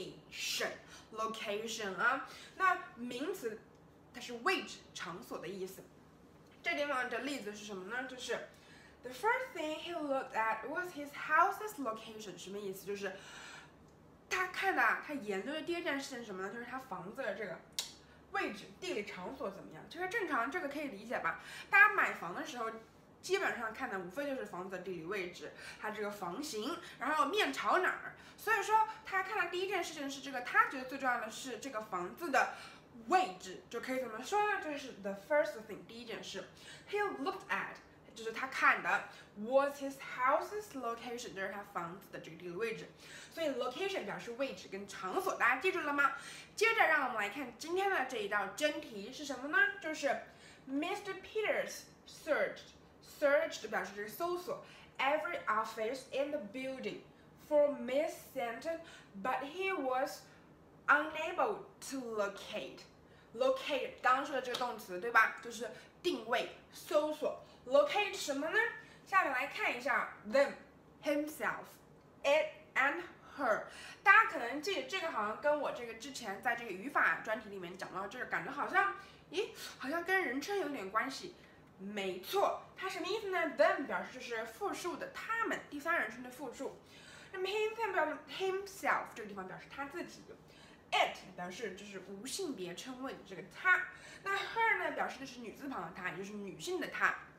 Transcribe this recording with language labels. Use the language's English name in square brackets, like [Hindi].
[Chinese] 是location 啊。那名词它是位置场所的意思。这地方的例子是什么呢？就是 [English] The first thing he looked at was his house's location。 [Chinese] 什么意思？就是他看的他研究的第一件事情什么呢？就是他房子的这个位置地理场所怎么样。其实正常这个可以理解吧，大家买房的时候基本上看的无非就是房子的地理位置，它这个房型，然后面朝哪儿。所以说他看的第一件事情是这个，他觉得最重要的是这个房子的位置，就可以怎么说呢？就是 [English] the first thing， [Chinese] 第一件事。 [English] He looked at， [Chinese] 就是他看的 ， [English] was his house's location， [Chinese] 就是他房子的这个地理位置。所以 location 表示位置跟场所，大家记住了吗？接着让我们来看今天的这一道真题是什么呢？就是 Mr. [English] Peters searched [Chinese] 表示这个搜索 [English] every office in the building for Miss Stanton， but he was unable to locate。 [Chinese] Locate 刚刚说的这个动词对吧，就是定位搜索。 Locate 什么呢？下面来看一下 [English] them himself it and her。 [Chinese] 大家可能记得这个好像跟我这个之前在这个语法专题里面讲到，就是感觉好像好像跟人称有点关系。没错，它什么意思呢？them 表示就是复数的他们，第三人称的复数。那么 himself 这个地方表示他自己，it 表示就是无性别称谓的这个她，那 her 呢表示的是女字旁的她，也就是女性的她。